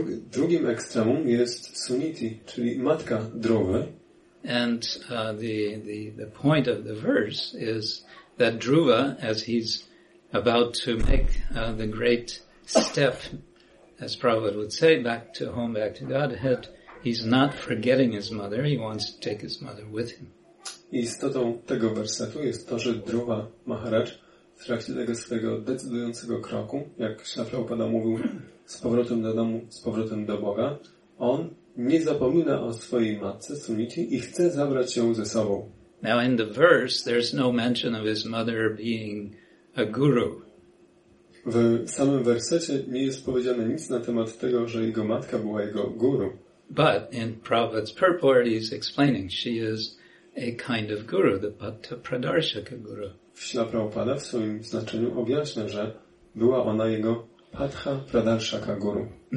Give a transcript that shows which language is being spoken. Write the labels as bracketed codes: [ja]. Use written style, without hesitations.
[pl] Drugim ekstremum jest Suniti, czyli matka Dhruvy. [en] And the point of the verse is that Dhruva, as he's about to make the great step, as Prabhupada would say, back to Godhead, he's not forgetting his mother, he wants to take his mother with him. [pl] Istotą tego wersetu jest to, że Dhruva Maharaj w trakcie tego swojego decydującego kroku, jak Śrila Prabhupada mówił, z powrotem do domu, z powrotem do Boga, on nie zapomina o swojej matce, Suniti, i chce zabrać ją ze sobą. [en] Now in the verse there's no mention of his mother being a guru. [pl] W samym wersecie nie jest powiedziane nic na temat tego, że jego matka była jego guru. [en] But in Prabhupada's purport he's explaining she is a kind of guru, the Bhatta Pradarshaka guru. [pl] Śrila Prabhupada w swoim znaczeniu objaśnia, że była ona jego Patha Pradarshaka guru.